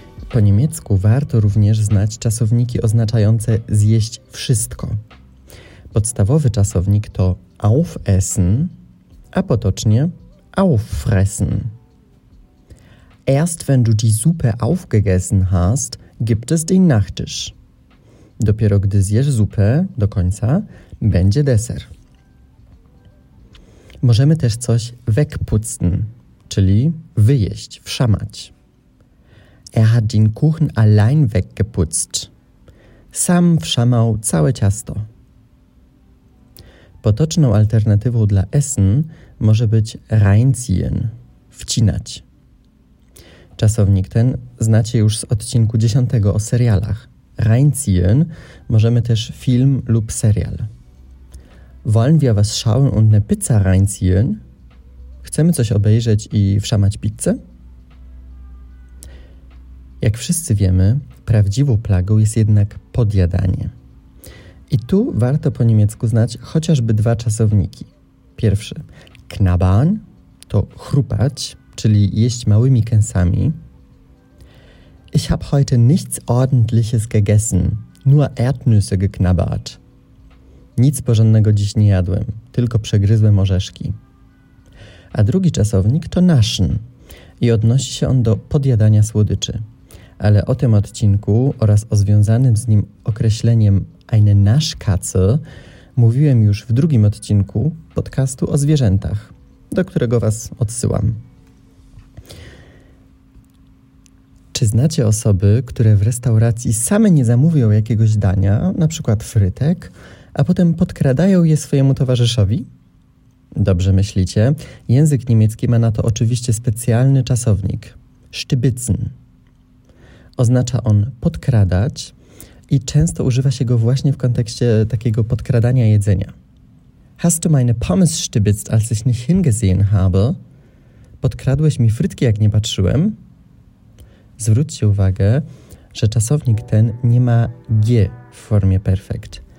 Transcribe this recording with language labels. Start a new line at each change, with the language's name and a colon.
Polish: Po niemiecku warto również znać czasowniki oznaczające zjeść wszystko. Podstawowy czasownik to aufessen, a potocznie auffressen.
German: Erst wenn du die Suppe aufgegessen hast, gibt es den Nachtisch.
Polish: Dopiero gdy zjesz zupę do końca, będzie deser. Możemy też coś wegputzen, czyli wyjeść, wszamać.
German: Er hat den Kuchen allein weggeputzt.
Polish: Sam wszamał całe ciasto. Potoczną alternatywą dla essen może być reinziehen, wcinać. Czasownik ten znacie już z odcinku 10 o serialach. Reinziehen możemy też film lub serial.
German: Wollen wir was schauen und eine Pizza reinziehen?
Polish: Chcemy coś obejrzeć i wszamać pizzę? Jak wszyscy wiemy, prawdziwą plagą jest jednak podjadanie. I tu warto po niemiecku znać chociażby dwa czasowniki. Pierwszy, knabbern, to chrupać, czyli jeść małymi kęsami.
German: Ich habe heute nichts ordentliches gegessen, nur Erdnüsse geknabbert.
Polish: Nic porządnego dziś nie jadłem, tylko przegryzłem orzeszki. A drugi czasownik to naschen i odnosi się on do podjadania słodyczy. Ale o tym odcinku oraz o związanym z nim określeniem eine Naschkatze mówiłem już w drugim odcinku podcastu o zwierzętach, do którego was odsyłam. Czy znacie osoby, które w restauracji same nie zamówią jakiegoś dania, na przykład frytek, a potem podkradają je swojemu towarzyszowi? Dobrze myślicie. Język niemiecki ma na to oczywiście specjalny czasownik. Stibitzen. Oznacza on podkradać i często używa się go właśnie w kontekście takiego podkradania jedzenia.
German: Hast du meine Pommes stibitzt, als ich nicht hingesehen habe?
Polish: Podkradłeś mi frytki, jak nie patrzyłem? Zwróćcie uwagę, że czasownik ten nie ma G w formie perfekt.